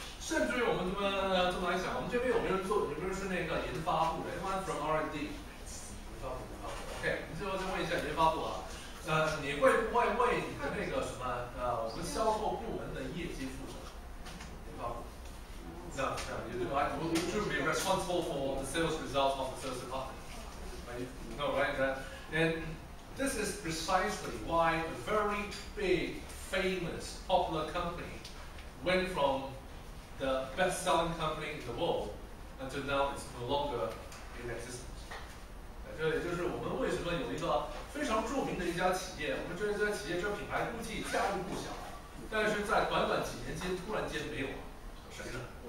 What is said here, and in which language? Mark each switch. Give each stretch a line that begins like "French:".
Chinese: 甚至于我们这么来想，我们这边有没有人做？有没有是那个研发部的 ？
English: Anyone from R&D？
Chinese: 研发部啊 ，OK， 你最后再问一下研发部啊。你会不会为你的那个什么我们销售部门的业绩负责？
English: No, you should be responsible for the sales results of the sales department. No, right? And this is precisely why a very big, famous, popular company went from the best-selling company in the world until now it's no longer in existence.
Chinese: 对，就是我们为什么有一个非常著名的一家企业，我们这家企业这品牌估计家喻户晓，但是在短短几年间突然间没有了，谁呢？